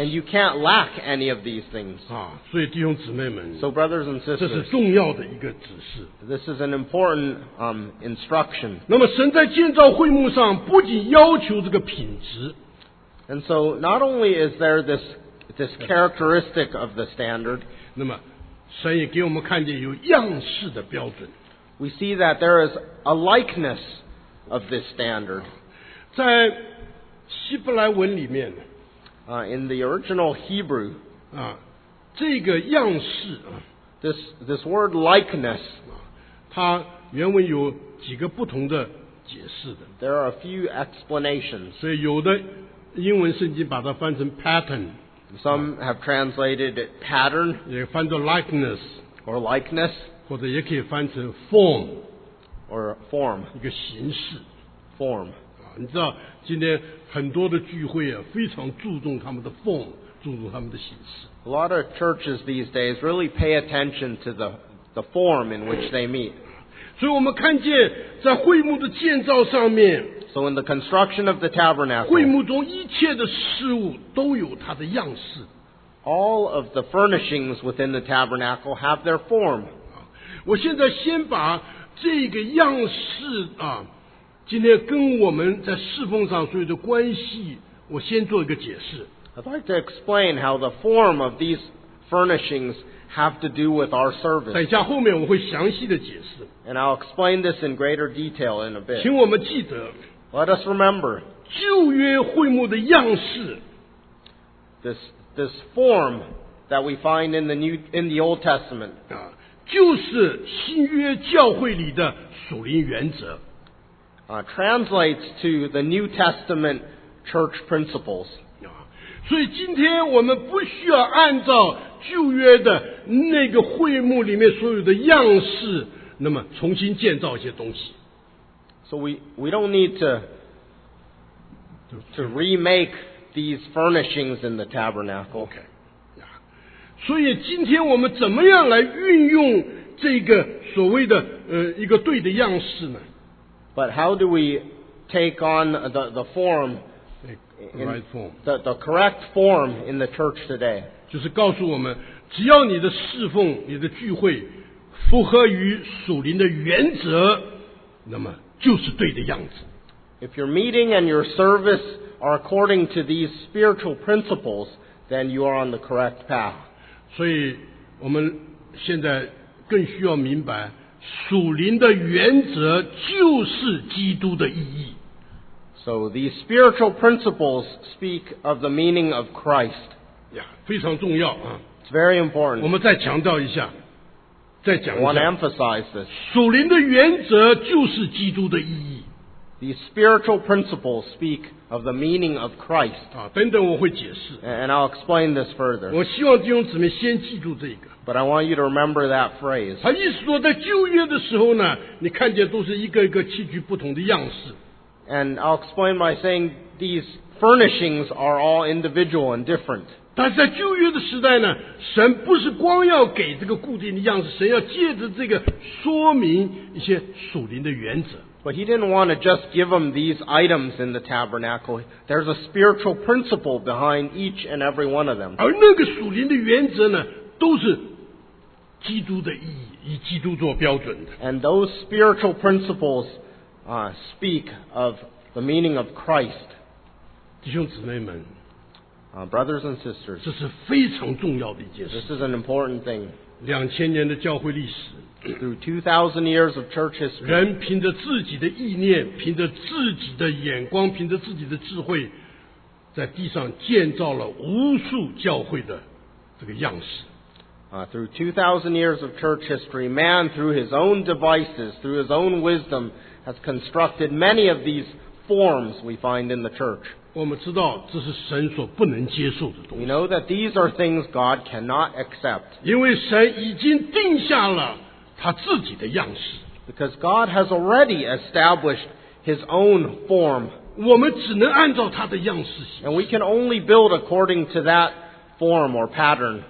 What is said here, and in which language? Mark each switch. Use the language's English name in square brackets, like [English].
[English] And you can't lack any of these things. [Chinese] 啊，所以弟兄姊妹们。 [English] So brothers and sisters. [Chinese] 这是重要的一个指示。 [English] This is an important instruction. [Chinese] 那么神在建造会幕上不仅要求这个品质。 [English] And so not only is there this characteristic of the standard. [Chinese] 那么神也给我们看见有样式的标准。 [English] We see that there is a likeness of this standard. [Chinese] 在希伯来文里面, [English] in the original Hebrew, [Chinese] 这个样式, [English] this word likeness, [Chinese] 它原文有几个不同的解释的。 [English] There are a few explanations. [Chinese] 所以有的英文圣经把它翻成 pattern. [English] Some have translated it pattern. [Chinese] 也翻作 likeness. [English] Or likeness. [Chinese] 或者也可以翻成 form, [English] or form, [Chinese] 一个形式 [English] form. [Chinese] 你知道今天很多的聚会啊，非常注重他们的 form, 注重他们的形式。 [English] A lot of churches these days really pay attention to the form in which they meet. [Chinese] 所以我们看见在会幕的建造上面 [English] ，So in the construction of the tabernacle, [Chinese] 会幕中一切的事物都有它的样式。 [English] All of the furnishings within the tabernacle have their form. [Chinese] 我现在先把这个样式啊，今天跟我们在侍奉上所有的关系，我先做一个解释。 [English] I'd like to explain how the form of these furnishings have to do with our service. [Chinese] 等一下后面我会详细的解释。 [English] And I'll explain this in greater detail in a bit. [Chinese] 请我们记得。 [English] Let us remember. [Chinese] 旧约会幕的样式。 [English] This form that we find in the Old Testament. [Chinese] 就是新约教会里的属灵原则。 [English] Translates to the New Testament church principles. [Chinese] 所以今天我们不需要按照旧约的那个会幕里面所有的样式，那么重新建造一些东西。 [English] So we don't need to remake these furnishings in the tabernacle. Okay. [Chinese] 所以今天我们怎么样来运用这个所谓的一个对的样式呢 [English] But how do we take on the form, right form. The correct form in the church today? [Chinese] 就是告诉我们，只要你的侍奉、你的聚会符合于属灵的原则，那么就是对的样子。 [English] If your meeting and your service are according to these spiritual principles, then you are on the correct path. [Chinese] 所以我们现在更需要明白，属灵的原则就是基督的意义。 [English] So these spiritual principles speak of the meaning of Christ. [Chinese] Yeah, 非常重要啊。 [English] It's very important. [Chinese] 我们再强调一下，再讲一下。 [English] I want to emphasize this. [Chinese] 属灵的原则就是基督的意义。 [English] These spiritual principles speak of the meaning of Christ. [Chinese] 啊，等等我会解释。 [English] And I'll explain this further. [Chinese] 我希望弟兄姊妹先记住这个。 [English] But I want you to remember that phrase. [Chinese] 他意思说，在旧约的时候呢，你看见都是一个一个器具不同的样式。 [English] And I'll explain by saying these furnishings are all individual and different. [Chinese] 但是在旧约的时代呢，神不是光要给这个固定的样式，神要借着这个说明一些属灵的原则。 [English] But he didn't want to just give them these items in the tabernacle. There's a spiritual principle behind each and every one of them. [Chinese] 而那个属灵的原则呢，都是基督的意义，以基督做标准的。 [English] And those spiritual principles, speak of the meaning of Christ. [Chinese] 弟兄姊妹们， [English] brothers and sisters, [Chinese] 这是非常重要的一件事。 [English] This is an important thing. [Chinese] 两千年的教会历史。 [English] Through 2,000 years of church history, [Chinese] 人凭着自己的意念，凭着自己的眼光，凭着自己的智慧，在地上建造了无数教会的这个样式。 [English] Through 2,000 years of church history, man through his own devices, through his own wisdom, has constructed many of these forms we find in the church. [Chinese] 我们知道这是神所不能接受的东西。 [English] We know that these are things God cannot accept. [Chinese] 因为神已经定下了他自己的样式。 [English] Because God has already established his own form. [Chinese] 我们只能按照他的样式行事。 [English] And we can only build according to that form or pattern.